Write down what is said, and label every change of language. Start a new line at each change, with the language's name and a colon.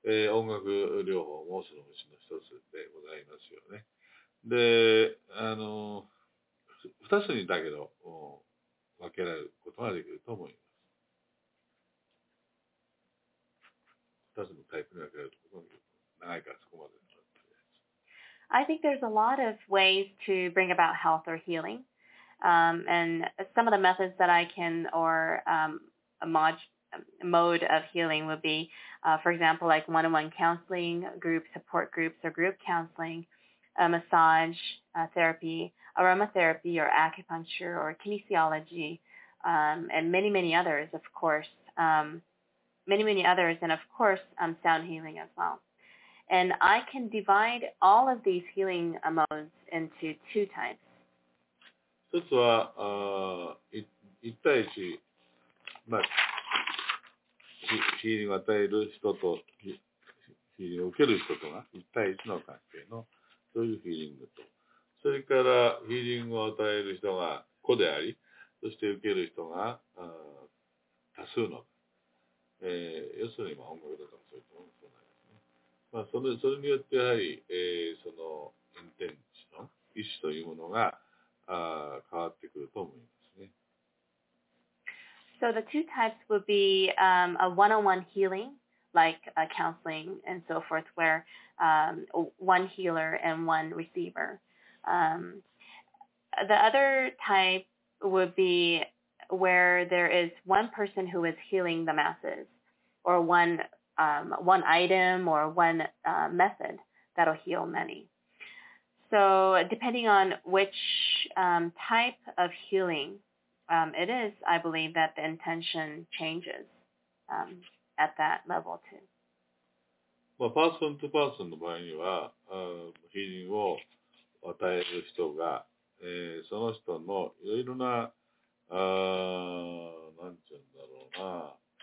Japanese: 音楽療法もそのうちの一つでございますよね。で、二つにだけど、分けられることができると思います。二つのタイプに分けられることができると思います。長いからそこまでになっています。
English: I think there's a lot of ways to bring about health or healing. And some of the methods that I can, or mode of healing would be, for example, like one-on-one counseling, group support groups or group counseling, a massage therapy, aromatherapy or acupuncture or kinesiology, and many, many others, of course, sound healing as well. And I can divide all of these healing modes into two types.
Japanese: 一つは、一対一、まあ、ヒーリングを与える人と、ヒーリングを受ける人とが、一対一の関係の、そういうヒーリングと。それから、ヒーリングを与える人が個であり、そして受ける人が、多数の。要するに、まあ、音楽とかもそういったものもそうなんですね。まあ、それによって、やはり、その、インテンチの意思というものが、変わってくると思いますね。
English: So the two types would be a one-on-one healing, like a counseling and so forth, where one healer and one receiver. The other type would be where there is one person who is healing the masses, or one item or one method that'll heal many. So depending on which type of healing it is, I believe that the intention changes at that level too.
Japanese: まあ、パーソンとパーソンの場合には、ヒーリングを与える人が、その人のいろいろな、なんて言うんだろ